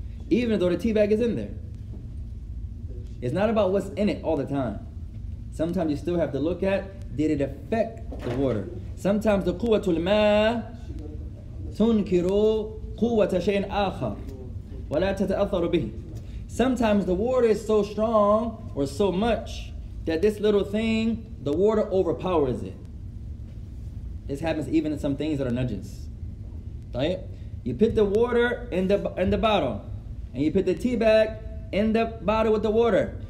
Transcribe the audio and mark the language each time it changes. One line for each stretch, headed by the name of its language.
English: Even though the tea bag is in there. It's not about what's in it all the time. Sometimes you still have to look at, did it affect the water? Sometimes the
Arabic: قوة الماء تنكر قوة شيء آخر ولا تتأثر به.
English: Sometimes the water is so strong or so much that this little thing, the water overpowers it. This happens even in some things that are najis.
Arabic: طيب.
English: You put the water in the bottle and you put the tea bag in the bottle with the water.